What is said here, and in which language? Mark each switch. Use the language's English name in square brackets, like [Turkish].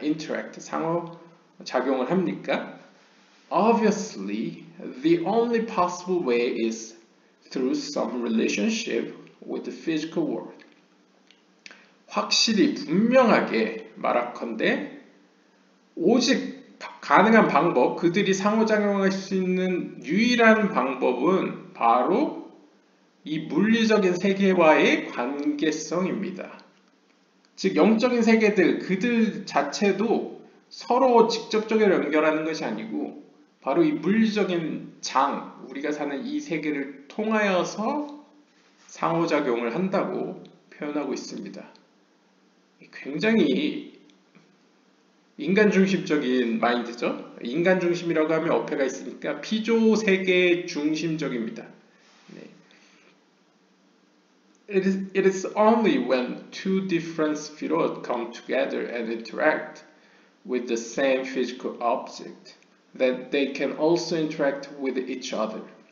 [Korean] Interact, 상호 작용을 합니까? [English] Obviously, the only possible way is through some relationship with the physical world. [Korean] 확실히 분명하게 말하건대 오직 가능한 방법, 그들이 상호작용할 수 있는 유일한 방법은 바로 이 물리적인 세계와의 관계성입니다. 즉 영적인 세계들, 그들 자체도 서로 직접적으로 연결하는 것이 아니고 바로 이 물리적인 장, 우리가 사는 이 세계를 통하여서 상호작용을 한다고 표현하고 있습니다. 굉장히 인간중심적인 마인드죠. 인간중심이라고 하면 어폐가 있으니까 피조 세계 중심적입니다. [English] It is only when two different spheres come together and interact with the same physical object that they can also interact with each other.